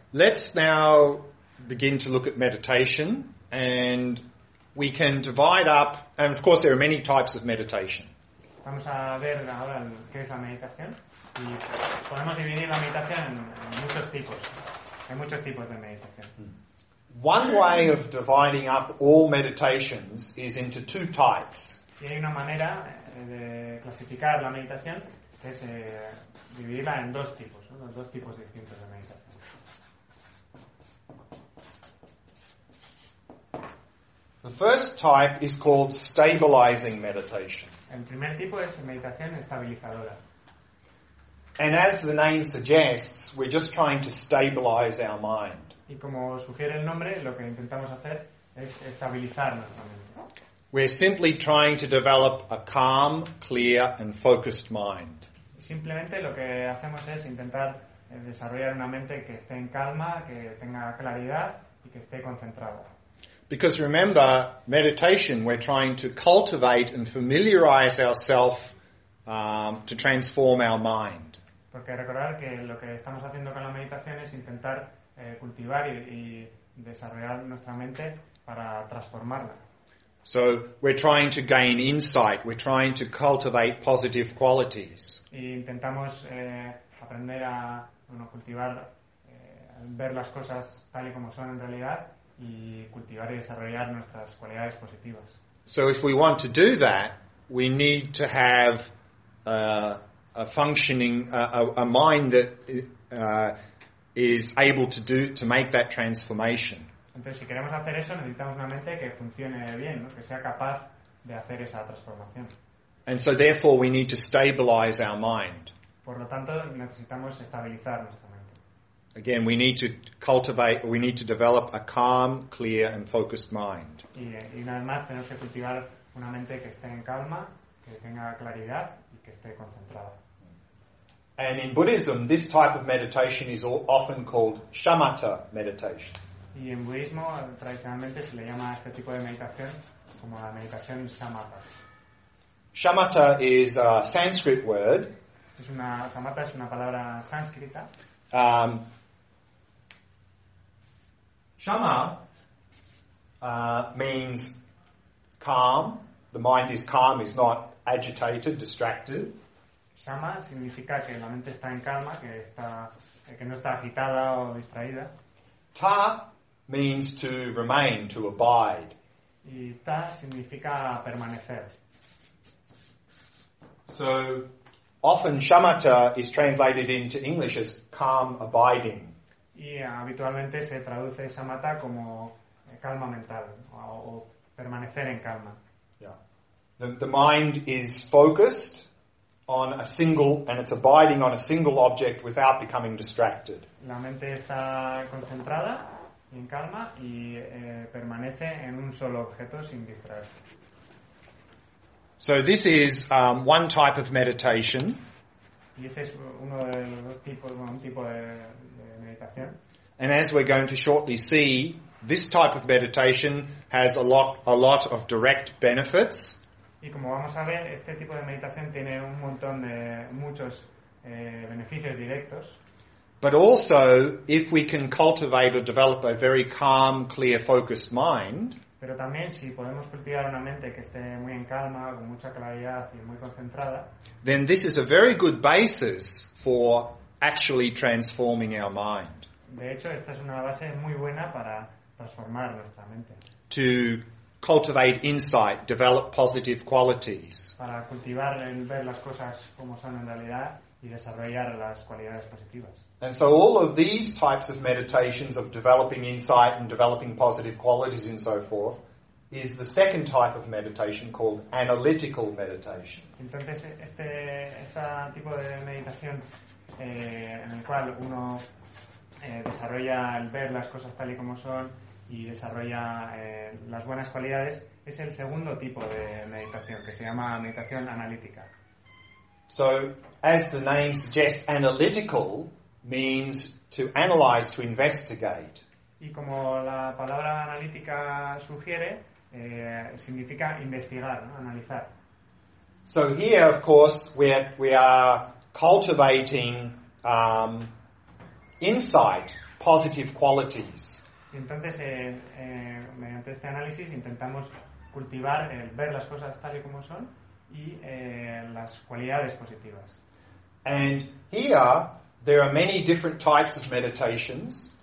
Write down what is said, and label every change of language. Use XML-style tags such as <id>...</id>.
<en>Let's now begin to look at meditation, and we can divide up, and of course there are many types of meditation.</en> <es>Vamos a ver ahora qué es la meditación y podemos dividir la meditación en muchos tipos. Hay muchos tipos de meditación.</es> <en>One way of dividing up all meditations is into two types.</en> <es>Y hay una manera de clasificar la meditación que es dividirla en dos tipos, ¿no? Dos tipos distintos de meditación.</es> <en>The first type is called stabilizing meditation.</en> <es>El primer tipo es meditación estabilizadora.</es> <en>And as the name suggests, we're just trying to stabilize our mind.</en> <es>Y como sugiere el nombre, lo que intentamos hacer es estabilizar nuestra mente.</es> <en>We're simply trying to develop a calm, clear, and focused mind.</en> <es>Simplemente lo que hacemos es intentar desarrollar una mente que esté en calma, que tenga claridad y que esté concentrada.</es> <en>Because remember, meditation, we're trying to cultivate and familiarize ourselves to transform our mind.</en> <es>Porque recordar que lo que estamos haciendo con la meditación es intentar cultivar y desarrollar nuestra mente para transformarla.</es> <en>So we're trying to gain insight, we're trying to cultivate positive qualities.</en> <es>Y intentamos aprender a cultivar, ver las cosas tal y como son en realidad. Y cultivar y desarrollar nuestras cualidades positivas.</es> <en>So if we want to do that, we need to have a functioning a mind that is able to do to make that transformation.</en> <es>Entonces, si queremos hacer eso, necesitamos una mente que funcione bien, ¿no? Que sea capaz de hacer esa transformación.</es> <en>And so therefore we need to stabilize our mind.</en> <es>Por lo tanto, necesitamos estabilizar nuestra mente.</es> <en>Again, we need to cultivate, we need to develop a calm, clear, and focused mind.</en> <es>Y nada más tenemos que cultivar una mente que esté en calma, que tenga claridad y que esté concentrada.</es> <en>And in Buddhism, this type of meditation is often called shamatha meditation.</en> <es>Y en budismo tradicionalmente se le llama a este tipo de meditación como la meditación shamatha.</es> <en>Shamatha is a Sanskrit word.</en> <es>Shamatha es una palabra sánscrita.</es> <en>Shama means calm. The mind is calm, is not agitated, distracted.</en> <es>Shama significa que la mente está en calma, que no está agitada o distraída.</es> <en>Ta means to remain, to abide.</en> <es>Y ta significa permanecer.</es> <en>So often shamatha is translated into English as calm abiding.</en> <es>Y habitualmente se traduce shamatha como calma mental o permanecer en calma. Yeah.</es> <en>The mind is focused on a single and it's abiding on a single object without becoming distracted.</en> <es>La mente está concentrada en calma y permanece en un solo objeto sin distraerse.</es> <en>So this is one type of meditation.</en> <es>Y este es uno de los tipos, un tipo de meditación.</es> <en>And as we're going to shortly see, this type of meditation has a lot of direct benefits.</en> <es>Y como vamos a ver, este tipo de meditación tiene un montón de muchos beneficios directos.</es> <en>But also, if we can cultivate or develop a very calm, clear, focused mind.</en> <es>Pero también si podemos cultivar una mente que esté muy en calma, con mucha claridad y muy concentrada.</es> <en>Then this is a very good basis for actually transforming our mind.</en> <es>De hecho, esta es una base muy buena para transformar nuestra mente.</es> <en>To cultivate insight, develop positive qualities.</en> <es>Para cultivar el ver las cosas como son en realidad y desarrollar las cualidades positivas.</es> <en>And so all of these types of meditations of developing insight and developing positive qualities and so forth is the second type of meditation called analytical meditation.</en> <es>Entonces este tipo de meditación en el cual uno desarrolla el ver las cosas tal y como son y desarrolla las buenas cualidades es el segundo tipo de meditación que se llama meditación analítica.</es> <en>So, as the name suggests, analytical means to analyze, to investigate.</en> <es>Y como la palabra analítica sugiere, significa investigar, ¿no? Analizar.</es> <en>So here, of course, we are cultivating insight, positive qualities.</en> <es>Entonces, mediante este análisis intentamos cultivar el ver las cosas tal y como son y las cualidades positivas.</es> <en>And here there are many different types of meditations.</en>